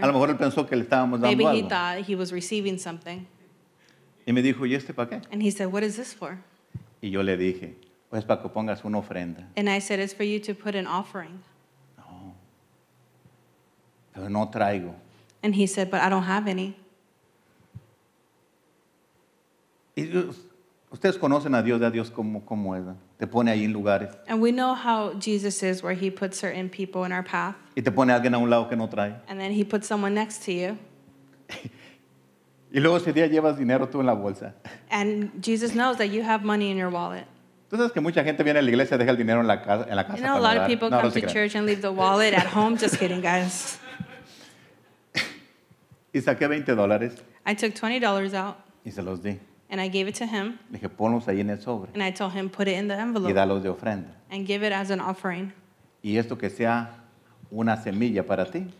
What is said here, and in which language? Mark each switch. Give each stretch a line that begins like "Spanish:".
Spanish: A lo mejor él pensó que le estábamos
English: maybe
Spanish: dando algo.
English: Maybe he thought he was receiving something.
Spanish: Y me dijo, ¿y este para qué?
English: And he said, what is this for?
Spanish: Y yo le dije, pues para que pongas una ofrenda.
English: And I said, it's for you to put an offering.
Spanish: Pero no traigo.
English: And he said, but I don't have any.
Spanish: Y ustedes conocen a Dios, de a Dios como es. Te pone ahí en lugares.
English: And we know how Jesus is, where he puts certain people in our path.
Spanish: Y te pone alguien a un lado que no trae.
English: And then he puts someone next to you.
Spanish: Y luego ese día llevas dinero tú en la bolsa.
English: And Jesus knows that you have money in your wallet.
Spanish: Tú sabes que mucha gente viene a la iglesia y deja el dinero en la casa.
English: You know, a lot of people come to church and leave the wallet at home. Just kidding, guys.
Spanish: Y saqué $20.
English: I took $20 out.
Spanish: Y se los di.
English: And I gave it to him.
Spanish: Le dije, ponlos ahí en el sobre.
English: And I told him, put it in the envelope.
Spanish: Y dalos de ofrenda.
English: And give it as an offering.
Spanish: Y esto que sea una semilla para ti.